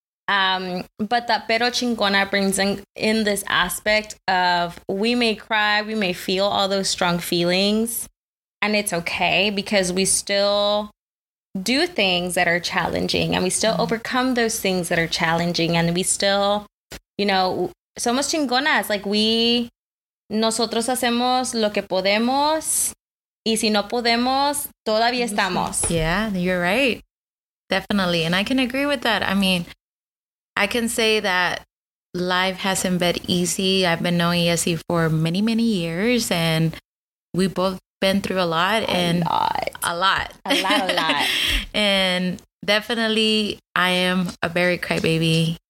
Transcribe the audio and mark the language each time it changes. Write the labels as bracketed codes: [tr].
[en] But that Pero Chingona brings in this aspect of we may cry, we may feel all those strong feelings, and it's okay because we still do things that are challenging and we still overcome those things that are challenging, and we still, you know, [es] somos chingonas. [en] Like we, [es] nosotros hacemos lo que podemos. Y si no podemos, todavía estamos. [en] Yeah, you're right. Definitely. And I can agree with that. I mean, I can say that life hasn't been easy. I've been knowing ESE for many, many years. And we've both been through a lot. A lot. And definitely, I am a very crybaby.